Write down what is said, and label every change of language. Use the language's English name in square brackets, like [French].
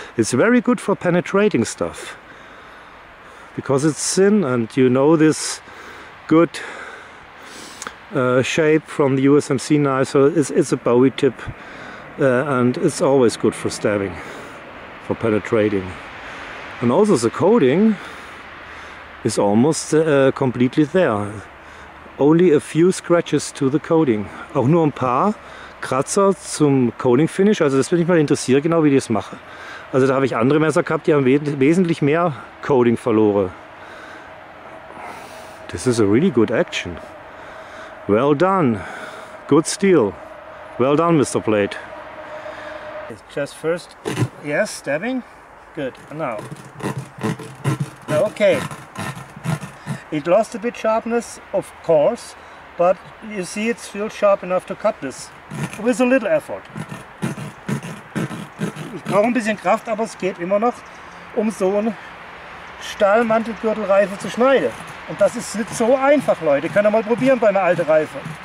[English] It's very good for penetrating stuff. Because it's thin and you know this good shape from the USMC knife, so it's a Bowie tip and it's always good for stabbing, for penetrating. And also the coating is almost completely there. Only a few scratches to the coating. [German] Auch nur ein paar Kratzer zum Coating Finish. Also das würde mich mal interessieren, genau wie ich das mache. Also da habe ich andere Messer gehabt, die haben wesentlich mehr Coating verloren. [English] This is a really good action. Well done. Good steel. Well done, Mr. Blade. It's just first. Yes, stabbing. Good. Now. Okay. It lost a bit sharpness, of course. But you see, it's still sharp enough to cut this. With a little effort. [German] Ich brauche ein bisschen Kraft, aber es geht immer noch, um so einen Stahlmantelgürtelreifen zu schneiden. Und das ist nicht so einfach, Leute. Könnt ihr mal probieren bei einer alten Reife.